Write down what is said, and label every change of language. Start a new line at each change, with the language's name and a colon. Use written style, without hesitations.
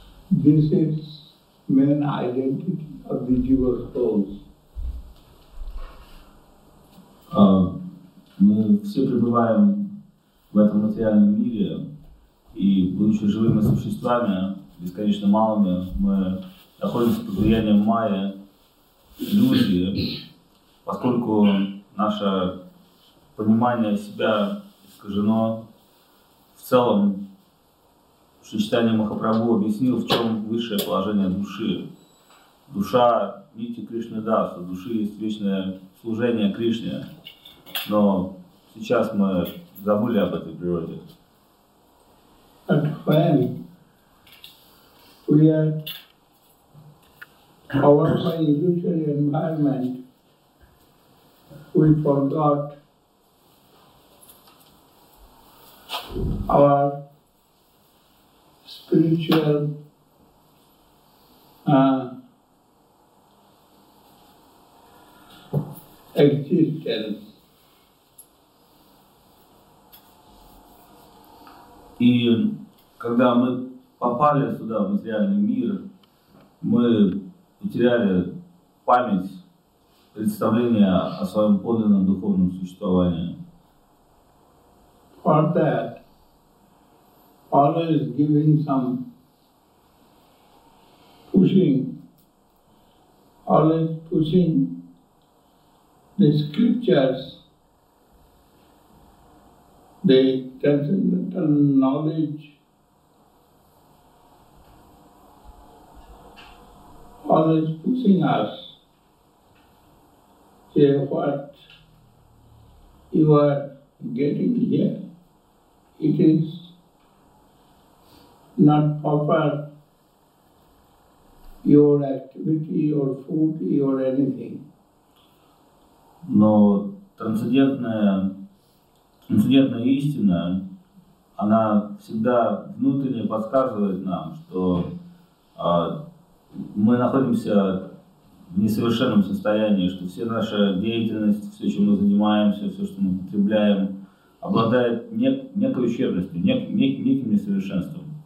English: This is main identity of the jiva souls.
Russian: Мы все пребываем в этом материальном мире, и будучи живыми существами, бесконечно малыми, мы находимся под влиянием майя, иллюзии, поскольку наше понимание себя искажено в целом. Сочетание Махапрабху объяснил, в чем высшее положение души. Душа нити Кришны даст, у души есть вечное служение Кришне. Но сейчас мы забыли об этой природе.
English: But when we are over by illusory environment, we forgot our spiritual existence.
Russian: И когда мы попали сюда, в материальный мир, мы потеряли память, представление о своем подлинном духовном существовании.
English: For that, always giving some pushing, always pushing the scriptures, the transcendental knowledge, always pushing us, say what you are getting here, it is not proper, your activity, your food, your anything.
Russian: Но трансцендентная истина, она всегда внутренне подсказывает нам, что мы находимся в несовершенном состоянии, что вся наша деятельность, все, чем мы занимаемся, все, что мы потребляем, обладает некой ущербностью, неким несовершенством.